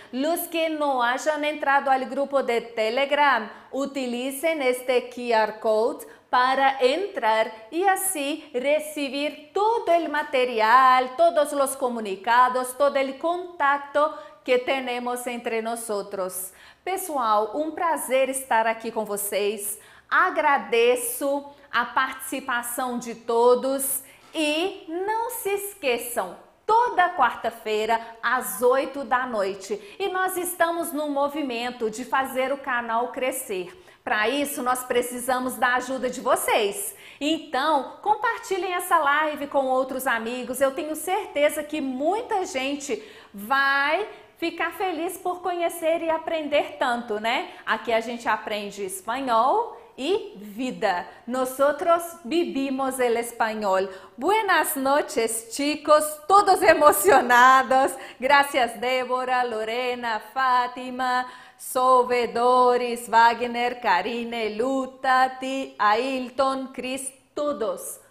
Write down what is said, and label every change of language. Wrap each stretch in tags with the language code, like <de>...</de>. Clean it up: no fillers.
<es>Los que no hayan entrado al grupo de Telegram, utilicen este QR code para entrar y así recibir todo el material, todos los comunicados, todo el contacto que tenemos entre nosotros.</es> <pt>Pessoal, un prazer estar aquí con vocês. Agradeço a participação de todos e não se esqueçam, toda quarta-feira às 8 da noite. E nós estamos no movimento de fazer o canal crescer. Para isso, nós precisamos da ajuda de vocês. Então, compartilhem essa live com outros amigos. Eu tenho certeza que muita gente vai ficar feliz por conhecer e aprender tanto, né? Aqui a gente aprende espanhol y vida.</pt> <es>Nosotros vivimos el español. Buenas noches, chicos, todos emocionados. Gracias, Débora, Lorena, Fátima, Sove, Doris, Wagner, Karine, Luta, Ti, Ailton, Cris, todos.</es>